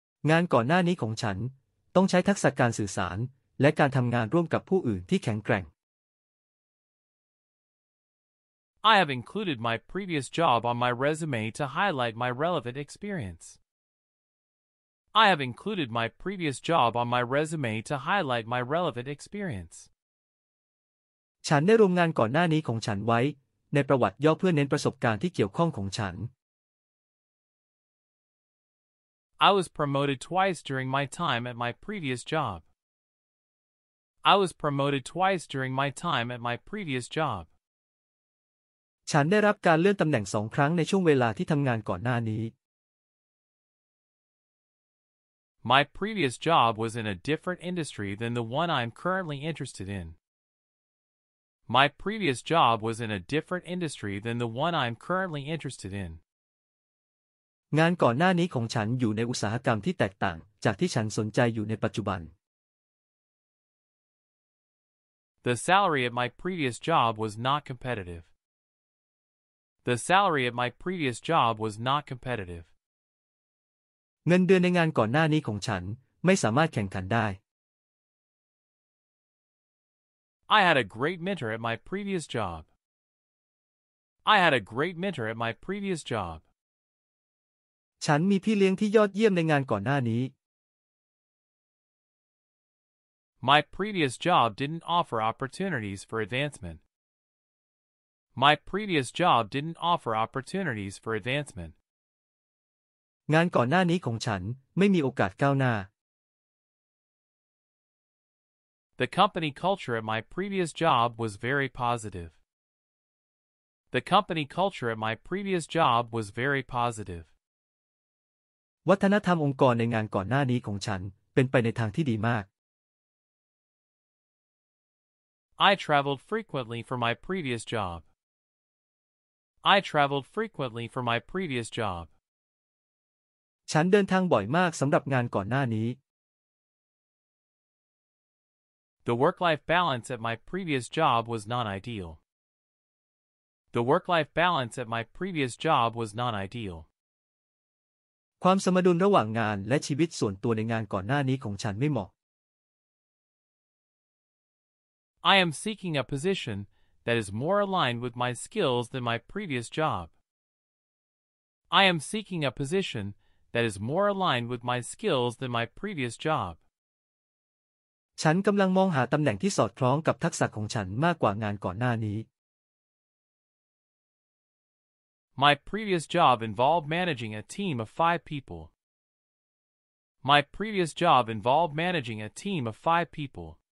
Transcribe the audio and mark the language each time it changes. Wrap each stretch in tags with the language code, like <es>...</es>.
<th>งานก่อนหน้านี้ของฉันต้องใช้ทักษะการสื่อสารและการทำงานร่วมกับผู้อื่นที่แข็งแกร่ง</th> <en>I have included my previous job on my resume to highlight my relevant experience. I have included my previous job on my resume to highlight my relevant experience.</en> <th>ฉันได้รวมงานก่อนหน้านี้ของฉันไว้ในประวัติย่อเพื่อเน้นประสบการณ์ที่เกี่ยวข้องของฉัน</th> <en>I was promoted twice during my time at my previous job. I was promoted twice during my time at my previous job.</en> <th>ฉันได้รับการเลื่อนตำแหน่งสองครั้งในช่วงเวลาที่ทำงานก่อนหน้านี้</th> <en>My previous job was in a different industry than the one I'm currently interested in. My previous job was in a different industry than the one I'm currently interested in.</en> <th>งานก่อนหน้านี้ของฉันอยู่ในอุตสาหกรรมที่แตกต่างจากที่ฉันสนใจอยู่ในปัจจุบัน</th> <en>The salary at my previous job was not competitive. The salary at my previous job was not competitive.</en> <th>เงินเดือนในงานก่อนหน้านี้ของฉันไม่สามารถแข่งขันได้</th> <en>I had a great mentor at my previous job. I had a great mentor at my previous job.</en> <th>ฉันมีพี่เลี้ยงที่ยอดเยี่ยมในงานก่อนหน้านี้</th> <en>My previous job didn't offer opportunities for advancement. My previous job didn't offer opportunities for advancement.</en> <th>งานก่อนหน้านี้ของฉันไม่มีโอกาสก้าวหน้า</th> <en>The company culture at my previous job was very positive. The company culture at my previous job was very positive.</en> <th>วัฒนธรรมองค์กรในงานก่อนหน้านี้ของฉันเป็นไปในทางที่ดีมาก</th> <en>I traveled frequently for my previous job. I traveled frequently for my previous job.</en> <th>ฉันเดินทางบ่อยมากสำหรับงานก่อนหน้านี้</th> <en>The work-life balance at my previous job was not ideal. The work-life balance at my previous job was not ideal.</en> <th>ความสมดุลระหว่างงานและชีวิตส่วนตัวในงานก่อนหน้านี้ของฉันไม่เหมาะ</th> <en>I am seeking a position that is more aligned with my skills than my previous job. I am seeking a position that is more aligned with my skills than my previous job.</en> <th>ฉันกำลังมองหาตำแหน่งที่สอดคล้องกับทักษะของฉันมากกว่างานก่อนหน้านี้</th> <en>My previous job involved managing a team of five people. My previous job involved managing a team of five people.</en>